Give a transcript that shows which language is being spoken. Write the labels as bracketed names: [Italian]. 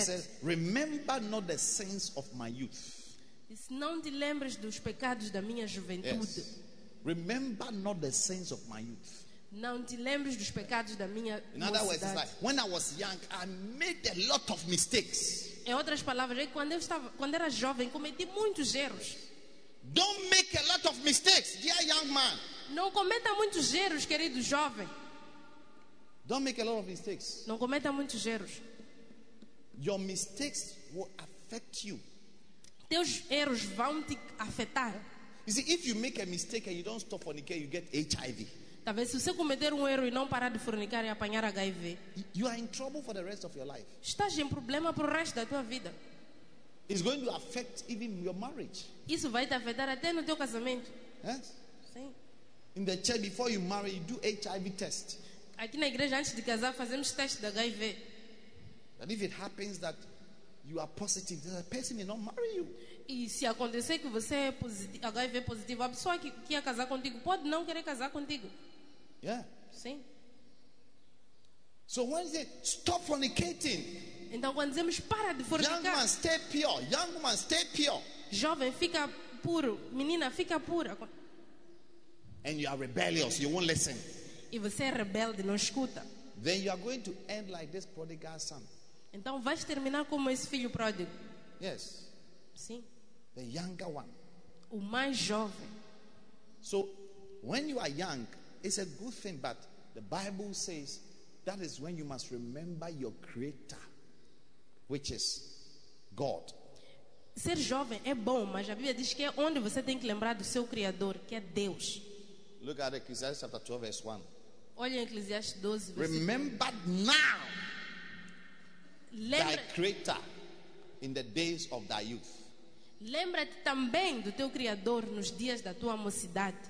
[English] He says, "Remember not the sins of my youth." [Portuguese] Diz, não te lembres dos pecados da minha juventude. [English] Yes. Remember not the sins of my youth. [Portuguese] Não te lembres dos pecados da minha mocidade. [English] In other words, it's like, when I was young, I made a lot of mistakes. [Portuguese] Em outras palavras, é quando eu estava, quando era jovem, cometi muitos erros. [English] Don't make a lot of mistakes, dear young man. [Portuguese] Não cometa muitos erros, querido jovem. [English] Don't make a lot of mistakes. [Portuguese] Não cometa muitos erros. [English] Your mistakes will affect you. [Portuguese] Teus erros vão te afetar. [English] You see, if you make a mistake and you don't stop fornicating, you get HIV. [Portuguese] Talvez se você cometer erro e não parar de fornicar e apanhar HIV. [English] You are in trouble for the rest of your life. [Portuguese] Estás em problema para o resto da tua vida. [English] It's going to affect even your marriage. [Portuguese] Isso vai te afetar até no teu casamento. [English] Yes. [Portuguese] Sim. [English] In the church before you marry, you do HIV test. [Portuguese] Aqui na igreja antes de casar fazemos teste da HIV. [English] And if it happens that you are positive, the person may not marry you. [Portuguese] E se acontecer que você é HIV positivo, a pessoa que ia casar contigo pode não querer casar contigo. [English] Yeah. [Portuguese] Sim. [English] So when you say stop fornicating. [Portuguese] Então quando dizemos para de fornicar. [English] Young man, stay pure. Young man, stay pure. [Portuguese] Jovem, fica puro. Menina, fica pura. [English] And you are rebellious, you won't listen. [Portuguese] E você é rebelde, não escuta. [English] Then you are going to end like this prodigal son. [Portuguese] Então vais terminar como esse filho pródigo. [English] Yes. [Portuguese] Sim. [English] The younger one. [Portuguese] O mais jovem. [English] So, when you are young, it's a good thing, but the Bible says that is when you must remember your creator, which is God. [Portuguese] Ser jovem é bom, mas a Bíblia diz que é onde você tem que lembrar do seu criador, que é Deus. [English] Look at Ecclesiastes chapter 12 verse 1. [Portuguese] Olha em Eclesiastes 12, versículo 1. [English] Remember now thy creator in the days of thy youth. [Portuguese] Lembra-te também do teu criador nos dias da tua mocidade.